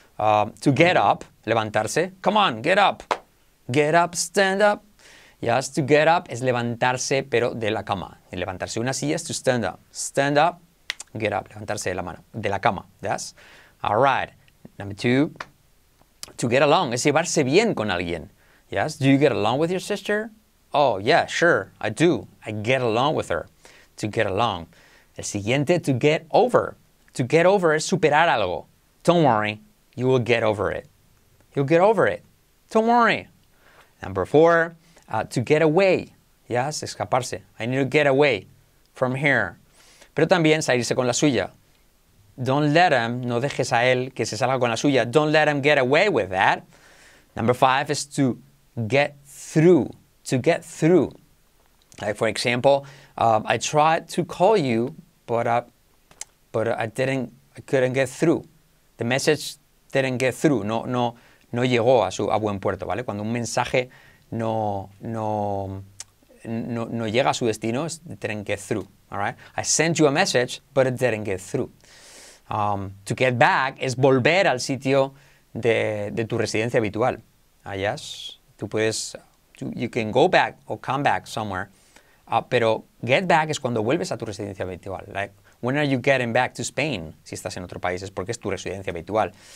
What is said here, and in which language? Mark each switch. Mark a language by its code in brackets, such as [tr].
[en] To get up, [es] levantarse. [en] Come on, get up. Get up, stand up. [es] Yes, [en] to get up [es] es levantarse, pero de la cama. Y levantarse una silla es [en] to stand up. Stand up, get up, [es] levantarse de la mano, de la cama. [en] Yes? All right. Number two, to get along, [es] es llevarse bien con alguien. [en] Yes, do you get along with your sister? Oh, yeah, sure, I do. I get along with her. To get along. [es] El siguiente, [en] to get over. To get over [es] es superar algo. [en] Don't worry, you will get over it. You'll get over it. Don't worry. Number four, to get away. Yes, [es] escaparse. [en] I need to get away from here. [es] Pero también salirse con la suya. [en] Don't let him, [es] no dejes a él que se salga con la suya. [en] Don't let him get away with that. Number five is to get through. To get through. Like for example, I tried to call you, but I couldn't get through. The message didn't get through. [es] No llegó a buen puerto, ¿vale? Cuando un mensaje no llega a su destino, es [en] didn't get through. All right? I sent you a message, but it didn't get through. To get back [es] es volver al sitio de tu residencia habitual. Yes, tú puedes, [en] you can go back or come back somewhere, [es] pero [en] get back [es] es cuando vuelves a tu residencia habitual. [en] Like, when are you getting back to Spain? [es] Si estás en otro país es porque es tu residencia habitual.